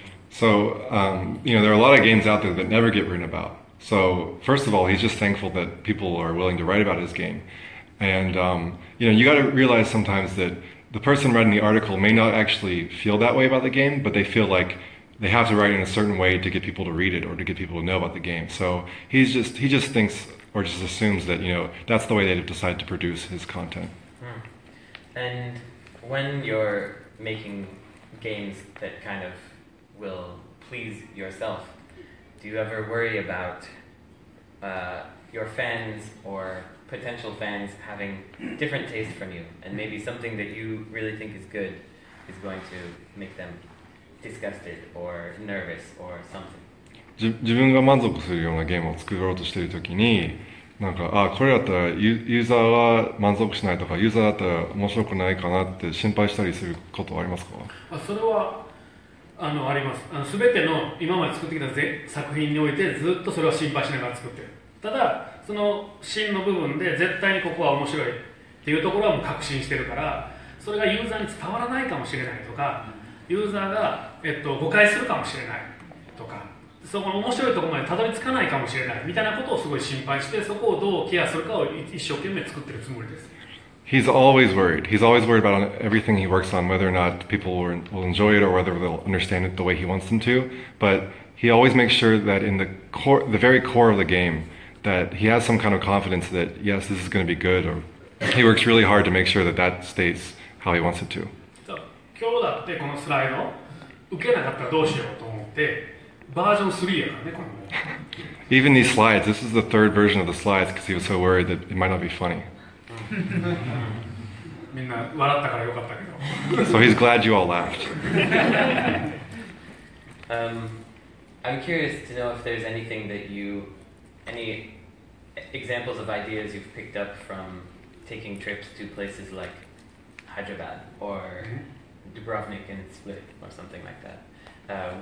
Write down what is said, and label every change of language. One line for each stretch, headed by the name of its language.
English: So, you know, there are a lot of games out there that never get written about. So, first of all, he's just thankful that people are willing to write about his game. And, you know, you got to realize sometimes that the person writing the article may not actually feel that way about the game, but they feel like they have to write in a certain way to get people to read it or to get people to know about the game. So, he just thinks or just assumes that, you know, that's the way they've decided to produce his content. And when you're making games that kind of will please yourself, do you ever worry about your fans or potential fans having different tastes from you, and maybe something that you really think is good is going to make them disgusted or nervous or something?
Japanese: 自分が満足するようなゲームを作ろうとしているときに、なんかあこれだったらユーザーは満足しないとか、ユーザーだったら面白くないかなって心配したりすることはありますか？それはあります。全ての今まで作ってきた作品においてずっとそれは心配しながら作ってる。ただその芯の部分で絶対にここは面白いっていうところはもう確信してるから、それがユーザーに伝わらないかもしれないとか、ユーザーが、誤解するかもしれないとか、そこの面白いところまでたどり着かないかもしれないみたいなことをすごい心配して、そこをどうケアするかを一生懸命作ってるつもりです。
English: He's always worried. He's always worried about everything he works on, whether or not people will enjoy it or whether they'll understand it the way he wants them to. But he always makes sure that in the core, the very core of the game, that he has some kind of confidence that, yes, this is going to be good. Or he works really hard to make sure that that stays how he wants it to.
Japanese: So, 今日だってこのスライド受けなかったらどうしようと思って、バージョン3やからね、これも。
English: Even these slides, this is the third version of the slides because he was so worried that it might not be funny.
Japanese: みんな笑ったからよかったけど。
English: So he's glad you all laughed. I'm curious to know if there's anything that you, any examples of ideas you've picked up from taking trips to places like Hyderabad or Dubrovnik and Split or something like that.